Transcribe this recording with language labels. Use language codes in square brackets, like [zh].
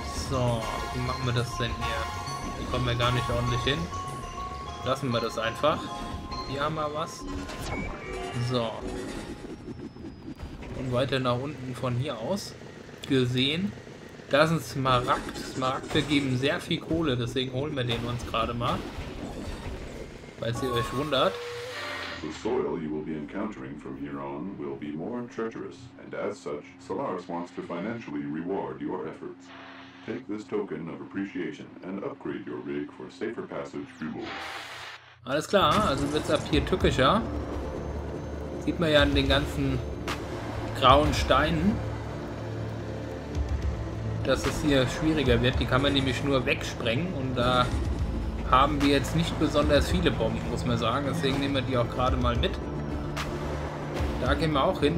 [de] So, wie machen wir das denn hier? Hier kommen wir gar nicht ordentlich hin. Lassen wir das einfach. Hier haben wir was. So. Und weiter nach unten von hier aus. Gesehen. Da ist ein Smaragd. Smaragde geben sehr viel Kohle, deswegen holen wir den uns gerade mal. Falls ihr euch wundert. [en] The soil you will be encountering from here on will be more treacherous, and as such, Solaris wants to financially reward your efforts. Take this token of appreciation and upgrade your rig for safer passage fuel. [de] Alles klar, also wird's ab hier tückischer. Sieht man ja an den ganzen grauen Steinen, dass es hier schwieriger wird. Die kann man nämlich nur wegsprengen und da haben wir jetzt nicht besonders viele Bomben, muss man sagen. Deswegen nehmen wir die auch gerade mal mit. Da gehen wir auch hin.